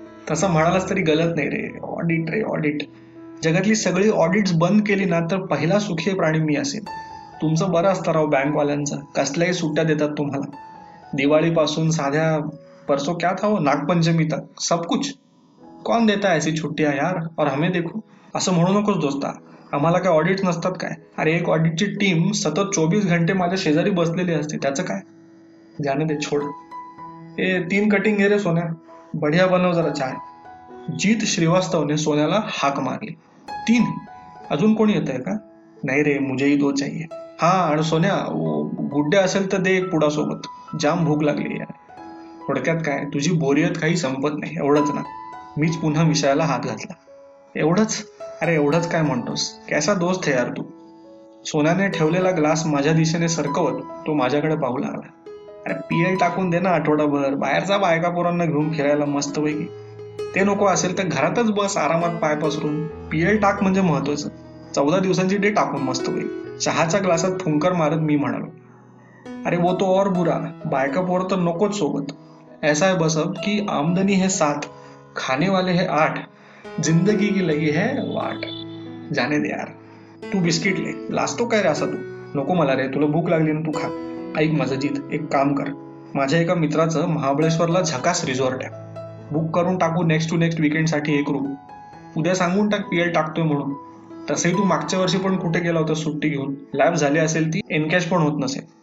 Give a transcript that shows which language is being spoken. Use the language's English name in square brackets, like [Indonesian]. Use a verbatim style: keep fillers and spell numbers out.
[Marathi] तसं म्हणालास तरी गलत नाही रे. ऑडिट रे ऑडिट, जगातली सगळी ऑडिट्स बंद केली ना तर पहिला सुखी प्राणी मी असेल. तुमचं बरं असतं राव बँकवाल्यांचं, कसल्याही सुट्ट्या देतात तुम्हाला. दिवाळीपासून साध्या [Hindi] परसो क्या था हो, नागपंचमी तक सब कुछ. कौन देता है ऐसी छुट्टियां यार, और हमें देखो. [Marathi] असं म्हणू नकोस दोस्ता, आम्हाला काय ऑडिट्स नसतात काय? अरे एक ऑडिटची टीम सतत चोवीस घंटे माझ्या शेजारी बसलेली असते, त्याचं काय? [Hindi] जाने दे, छोड. [Marathi] ए तीन कटिंग घे रे सोन्या, बढिया बनव जरा चाय. जीत श्रीवास्तवने सोन्याला हाक मारली. तीन? अजून कोणी येत आहे का? नाही रे, [Hindi] मुझेही दो चाहिए. [Marathi] हा आणि सोन्या, वो गुड्ड्या असेल तर दे एक पुडा सोबत, जाम भूक लागली यार. थोडक्यात काय, तुझी बोरियत काही संपत नाही, एवढंच ना? मीच पुन्हा विषयाला हात घातला. एवढंच? अरे एवढंच काय म्हणतोस, [Hindi] कैसा दोस्त [Marathi] आहे यार तू. सोन्याने ठेवलेला ग्लास माझ्या दिशेने सरकवत तो माझ्याकडे पाहू लागला. अरे पियल टाकून दे ना आठवडाभर, बाहेरचा बायका पोरांना घेऊन फिरायला मस्तपैकी. ते नको असेल तर घरातच बस आरामात पाय पसरून. पियल टाक म्हणजे महत्वाचं, चौदा दिवसांची डेट टाकून मस्तपैकी. चहाच्या ग्लासात फुंकर मारत मी म्हणालो, [Hindi] अरे वो तो और बुरा, [Marathi] बायका पोरं तर नकोच सोबत. [Hindi] ऐसा है बस अब की आमदनी है सात, खाने वाले है आठ, जिंदगी की लगी है वाट. जाने दे यार, तू बिस्किट ले, [Marathi] लाजतो काय रे असा तू? नको मला रे, तुला भूक लागली ना, तू खा. ऐक माझं जीत, एक काम कर, माझ्या एका मित्राचं महाबळेश्वरला झकास रिझॉर्ट आहे, बुक करून टाकू नेक्स्ट टू नेक्स्ट विकेंडसाठी एक रूम. उद्या सांगून टाक पीएल टाकतोय म्हणून. तसंही तू मागच्या वर्षी पण कुठे गेला होता सुट्टी घेऊन, लॅब झाली असेल ती, एनकॅश पण होत नसेल.